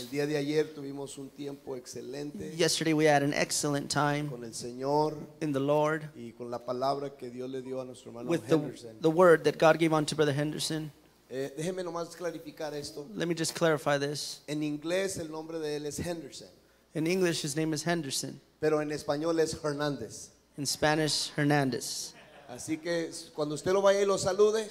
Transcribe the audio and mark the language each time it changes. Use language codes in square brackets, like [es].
[es] El día de ayer tuvimos un tiempo excelente. [en] Yesterday we had an excellent time [es] con el Señor, [en] in the Lord, [es] y con la palabra que Dios le dio a nuestro hermano [en] with Henderson. The word that God gave unto Brother Henderson. [es] Déjeme nomás clarificar esto. [en] Let me just clarify this. [es] En inglés el nombre de él es Henderson. [en] In English, his name is Henderson. [es] Pero en español es Hernández. [en] In Spanish, Hernández. [es] Así que cuando usted lo vaya y lo salude,